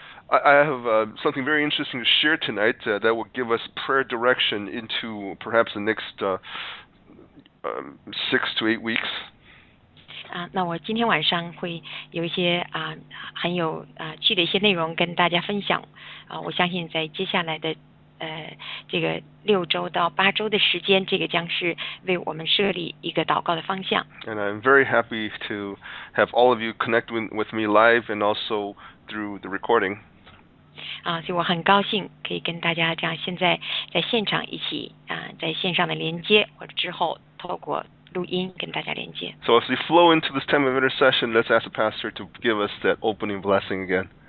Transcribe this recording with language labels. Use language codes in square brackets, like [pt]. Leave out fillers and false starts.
[en] I have something very interesting to share tonight that will give us prayer direction into perhaps the next 6 to 8 weeks. [zh] 那我今天晚上会有一些很有趣的一些内容跟大家分享，我相信在接下来的这个6周到8周的时间，这个将是为我们设立一个祷告的方向。And [en] I'm very happy to have all of you connect with me live and also through the recording. [zh] 所以我很高兴可以跟大家这样现在在线上的连接，或者之后透过录音跟大家连接。 [en] So as we flow into this time of intercession, let's ask the pastor to give us that opening blessing again.